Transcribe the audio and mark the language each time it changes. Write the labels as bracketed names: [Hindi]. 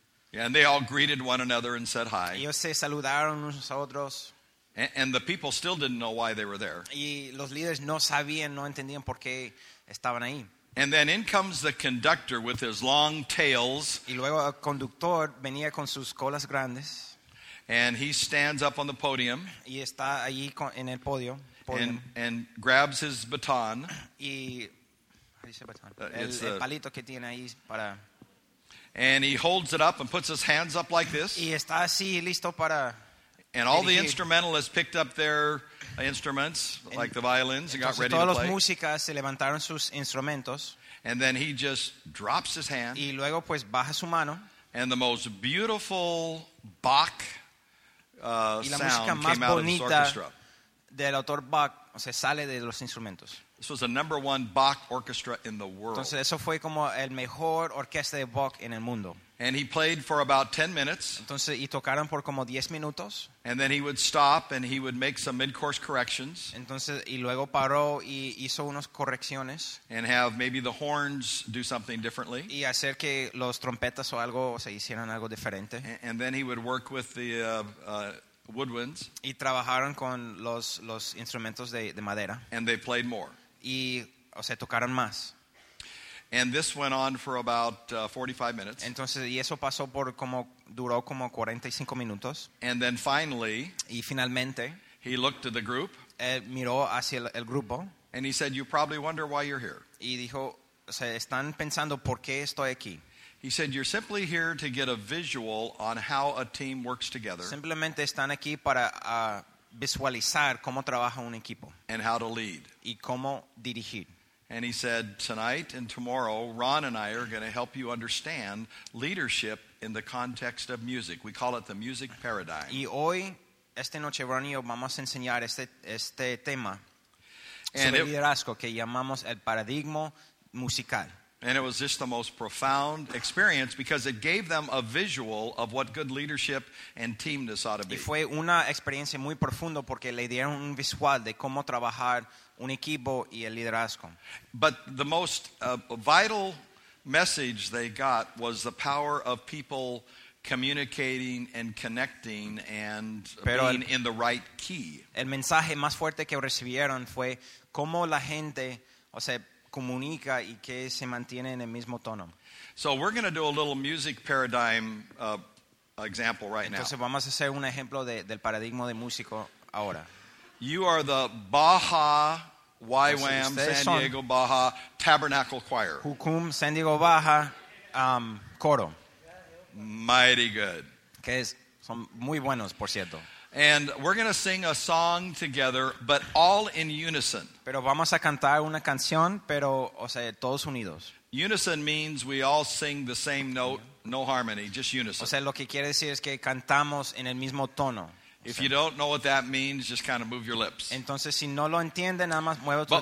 [English] Yeah, and they all greeted one another and said hi. [Spanish] Ellos se saludaron unos a otros. [English] And the people still didn't know why they were there. [Spanish] Y los líderes no sabían, no entendían por qué estaban ahí. [English] And then in comes the conductor with his long tails. [Spanish] Y luego el conductor venía con sus colas grandes. [English] And he stands up on the podium. [Spanish] Y está allí en el podio. [English] And grabs his baton. [Spanish] Y el palito que tiene ahí para. [English] And he holds it up and puts his hands up like this. [Spanish] Y está así listo para. [English] And all the instrumentalists picked up their instruments, like the violins, and got ready to play. [Spanish] Todos los músicos se levantaron sus instrumentos. [English] And then he just drops his hand. [Spanish] Y luego pues baja su mano. [English] And the most beautiful Bach sound came out of his orchestra. [Spanish] Del autor Bach, o sea, sale de los instrumentos. [English] This was the number one Bach orchestra in the world. [Spanish] Entonces eso fue como el mejor orquesta de Bach en el mundo. [English] And he played for about 10 minutes. [Spanish] Entonces, y tocaron por como 10 minutos. [English] And then he would stop and he would make some mid-course corrections. [Spanish] Entonces, y luego paró y hizo unos correcciones. [English] And have maybe the horns do something differently. [Spanish] Y hacer que los trompetas o algo se hicieran algo diferente. [English] And then he would work with the woodwinds. [Spanish] Y trabajaron con los instrumentos de madera. [English] And they played more. [Spanish] Y o sea, tocaron más. [English] And this went on for about 45 minutes. [Spanish] Entonces, y eso pasó por como, duró como 45 minutos. [English] And then finally, [Spanish] y finalmente, [English] he looked at the group. [Spanish] Miró hacia el grupo. [English] And he said, you probably wonder why you're here. [Spanish] Y dijo, o sea, están pensando por qué estoy aquí. [English] He said, you're simply here to get a visual on how a team works together. [Spanish] Simplemente están aquí para visualizar cómo trabaja un equipo. [English] And how to lead. [Spanish] Y cómo dirigir. [English] And he said, tonight and tomorrow, Ron and I are going to help you understand leadership in the context of music. We call it the music paradigm. [Spanish] Y hoy, esta noche, Ron y yo vamos a enseñar este tema sobre liderazgo que llamamos el paradigma musical. [English] And it was just the most profound experience because it gave them a visual of what good leadership and teamness ought to be. [Spanish] Y fue una experiencia muy profunda porque le dieron un visual de cómo trabajar un equipo y el liderazgo. [English] But the most vital message they got was the power of people communicating and connecting and being in the right key. [Spanish] El mensaje más fuerte que recibieron fue cómo la gente, o sea, comunica y que se mantiene en el mismo tono. [English] So we're going to do a little music paradigm example right [Spanish] Entonces, [English] now. [Spanish] Entonces vamos a hacer un ejemplo del paradigma de músico ahora. [English] You are the Baja YWAM San Diego Baja Tabernacle Choir. [Spanish] Hukum San Diego Baja coro. [English] Mighty good. [Spanish] Que es, son muy buenos, por cierto. [English] And we're going to sing a song together, but all in unison. [Spanish] Pero vamos a cantar una canción, pero, o sea, todos unidos. [English] Unison means we all sing the same note, no harmony, just unison. [Spanish] O sea, lo que quiere decir es que cantamos en el mismo tono. [English] If you don't know what that means, just kind of move your lips. [Spanish] Entonces, si no lo entiende, nada más mueve tus